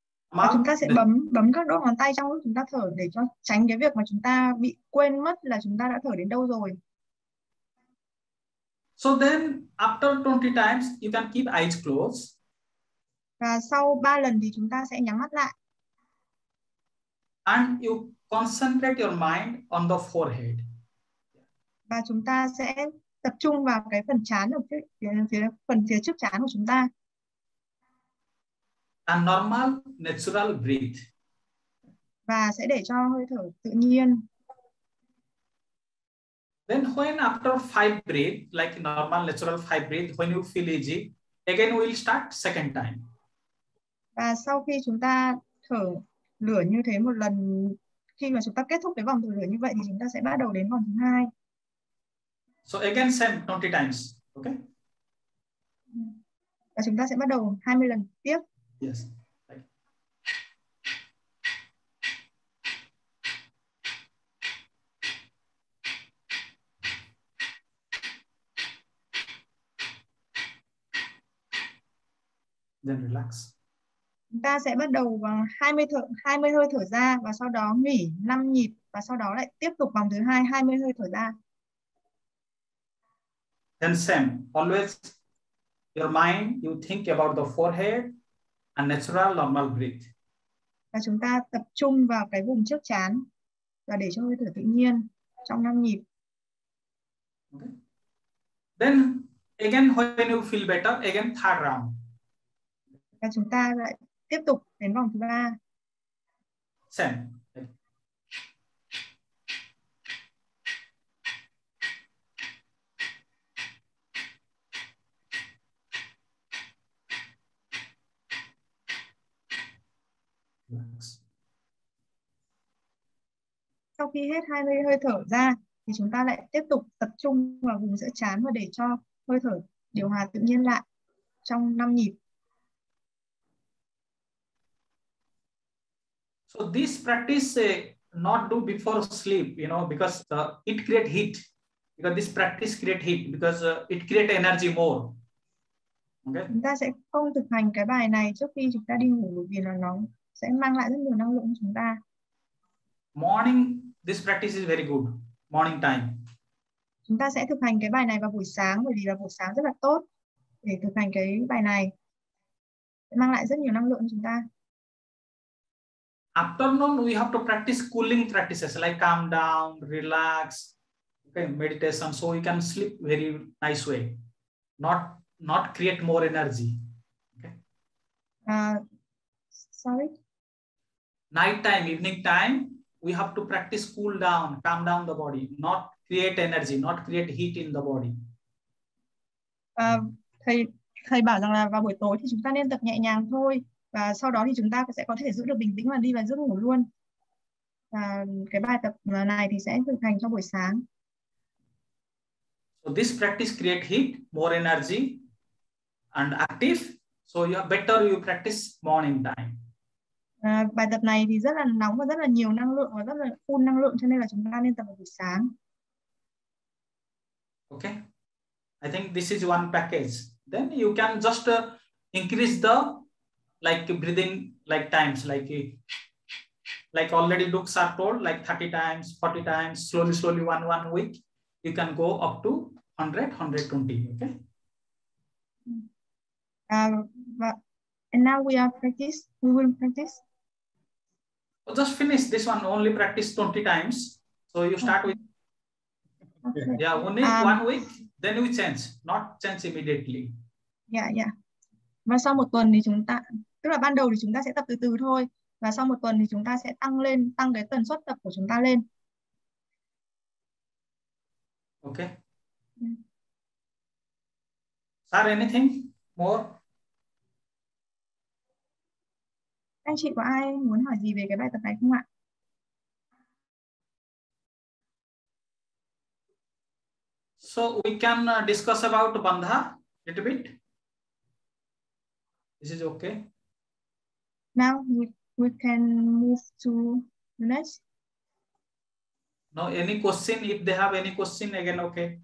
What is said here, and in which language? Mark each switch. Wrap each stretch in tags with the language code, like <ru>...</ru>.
<vi>Mà chúng ta sẽ bấm các đốt ngón tay trong lúc chúng ta thở để cho tránh cái việc mà chúng ta bị quên mất là chúng ta đã thở đến đâu rồi.</vi> <en>So then after 20 times you can keep eyes closed.</en> <vi>Và sau 3 lần thì chúng ta sẽ nhắm mắt lại.</vi> <en>And you concentrate your mind on the forehead.</en> <vi>Và chúng ta sẽ tập trung vào cái phần trán ở phía trước trán của chúng ta.</vi> <en>A normal, natural breath.</en> <vi>Và sẽ để cho hơi thở tự nhiên.</vi> <en>Then when after 5 breath, like normal, natural 5 breath, when you feel easy, again we'll start second time.</en> <vi>Và sau khi chúng ta thở lửa như thế một lần, khi mà chúng ta kết thúc cái vòng thở lửa như vậy thì chúng ta sẽ bắt đầu đến vòng thứ hai.</vi> <en>So again same 20 times, okay?</en> <vi>Và chúng ta sẽ bắt đầu 20 lần tiếp.</vi> <en>Yes. Then relax.</en> <vi>Chúng ta sẽ bắt đầu bằng 20 hơi thở ra và sau đó nghỉ 5 nhịp và sau đó lại tiếp tục vòng thứ hai 20 hơi thở ra.</vi> <en>Then same, always your mind you think about the forehead. A natural normal breath.</en> <vi>Và chúng ta tập trung vào cái vùng trước trán và để cho hơi thở tự nhiên trong 5 nhịp.</vi> <en>Okay. Then again when you feel better, again third round.</en> <vi>Và chúng ta lại tiếp tục đến vòng thứ ba.</vi> <en>Same.</en> <vi>Sau khi hết 20 hơi thở ra thì chúng ta lại tiếp tục tập trung vào vùng giữa trán và để cho hơi thở điều hòa tự nhiên lại trong 5 nhịp.</vi> <en>So this practice not do before sleep, you know, because it create heat. Because this practice create heat because it create energy more. Okay.</en> <vi>Chúng ta sẽ không thực hành cái bài này trước khi chúng ta đi ngủ bởi vì nó nóng sẽ mang lại rất nhiều năng lượng cho chúng ta.</vi> <en>Morning, this practice is very good. Morning time.</en> <vi>Chúng ta sẽ thực hành cái bài này vào buổi sáng bởi vì là buổi sáng rất là tốt để thực hành cái bài này. Sẽ mang lại rất nhiều năng lượng cho chúng ta.</vi> <en>Afternoon, we have to practice cooling practices like calm down, relax, okay, meditation, so we can sleep very nice way. Not create more energy. Okay. Night time, evening time, we have to practice cool down, calm down the body, not create energy, not create heat in the body.</en> <vi>Thầy bảo rằng là vào buổi tối thì chúng ta nên tập nhẹ nhàng thôi và sau đó thì chúng ta sẽ có thể giữ được bình tĩnh và đi vào giấc ngủ luôn. Cái bài tập này thì sẽ thực hành cho buổi sáng.</vi> <en>So this practice create heat, more energy and active. So you are better you practice morning time.</en> <vi>Bài tập này thì rất là nóng và rất là nhiều năng lượng và rất là full năng lượng cho nên là chúng ta nên tập vào buổi sáng.</vi> <en>Okay. I think this is one package. Then you can just increase the like breathing like times like already looks are told like 30 times, 40 times, slowly one week you can go up to 100, 120, okay? And now we are practice. We will practice. Just finish this one. Only practice 20 times. So you start with. Okay. Yeah, only 1 week. Then we change. Not change immediately. Yeah, yeah.</en> <vi>Và sau một tuần thì chúng ta, tức là ban đầu thì chúng ta sẽ tập từ từ thôi. Và sau một tuần thì chúng ta sẽ tăng lên, tăng cái tần suất tập của chúng ta lên.</vi> <en>Okay. Sir, anything more?</en> <vi>Anh chị có ai muốn hỏi gì về cái bài tập này không ạ?</vi> <en>So we can discuss about bandha a little bit. This is okay. Now we can move to the next. Now any question, if they have any question again, okay.</en>